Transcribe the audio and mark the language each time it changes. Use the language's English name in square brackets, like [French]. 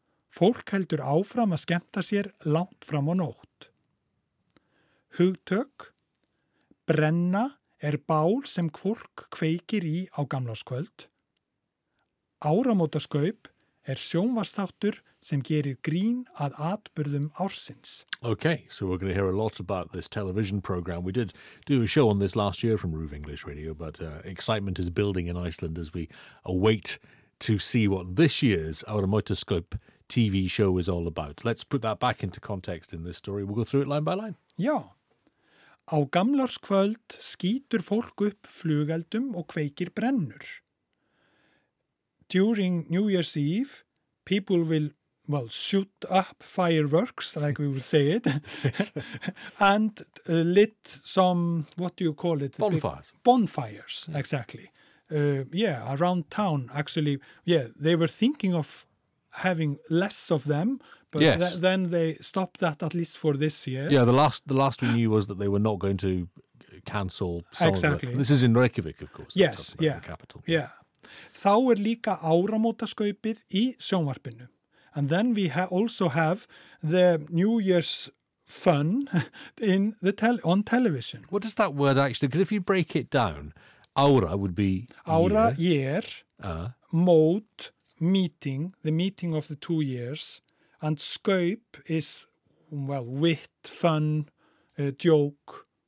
[Icelandic] Fólk heldur áfram að skemmta sér langt fram á nótt. Hugtök. Brenna bál sem fólk kveikir í á gamlárskvöld. Áramótaskaup sjónvarpsþáttur sem gerir grín að atburðum ársins. [English] Okay, so we're going to hear a lot about this television program. We did do a show on this last year from RÚV English Radio, but excitement is building in Iceland as we await to see what this year's Áramótaskaup TV show is all about. Let's put that back into context in this story. We'll go through it line by line. [Icelandic] Já. Á gamlárskvöld skýtur fólk upp flugeldum og kveikir brennur. [English] During New Year's Eve, people will, well, shoot up fireworks, like we would say it, and lit some, what do you call it? Bonfires. Bonfires, yeah. Exactly. Yeah, around town, actually. Yeah, they were thinking of having less of them, but yes. then they stopped that at least for this year. Yeah, the last we knew was that they were not going to cancel some exactly. of the, this is in Reykjavik, of course. Yes, yeah. The capital. Yeah. [Icelandic] Þá líka áramótaskaupið í sjónvarpinu. [English] And then we also have the New Year's fun in the on television. What does that word actually, because if you break it down, ára would be ára, year, mót, meeting, the meeting of the 2 years, and skaup is, well, wit, fun, joke.